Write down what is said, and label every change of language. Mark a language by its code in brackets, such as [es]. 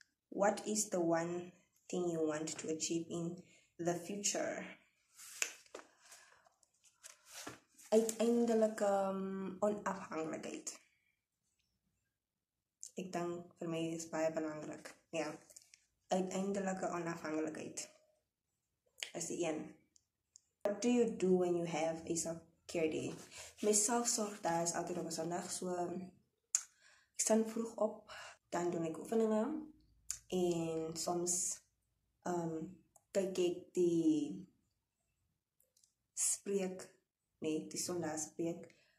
[en] What is the one thing you want to achieve in the future? [nl] Uiteindelijk onafhankelijkheid. Ik denk voor mij is baie belangrijk. Ja. Uiteindelijke onafhankelijkheid. Dat is de een. [en] What do you do when you have a self-care day? [nl] Mijn zelfzorg daar is altijd op een zondag. So, ik sta vroeg op. Dan doe ik oefeningen. En soms kijk ik die spreek. Nee, die zondag spreek.